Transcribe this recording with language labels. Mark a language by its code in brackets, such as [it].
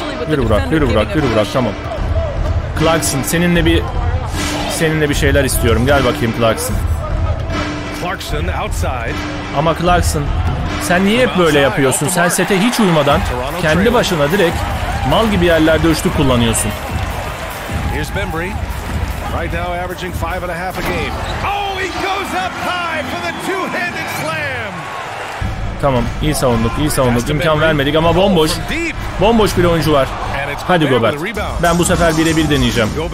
[tr] Yürü Burak, yürü Burak, yürü Burak. Tamam. Clarkson, seninle bir şeyler istiyorum. Gel bakayım Clarkson. Clarkson outside. Ama Clarkson, sen niye hep böyle yapıyorsun? Sen sete hiç uymadan kendi başına direkt mal gibi yerlerde üçlük kullanıyorsun. [en] Here's Bembry, right now averaging 5.5 a game. Oh, he goes up high for the two-handed slam. [tr] Tamam, iyi savunduk, iyi savunduk. İmkan vermedik ama bomboş. Bomboş bir oyuncu var. Hadi Gobert, ben bu sefer birebir deneyeceğim.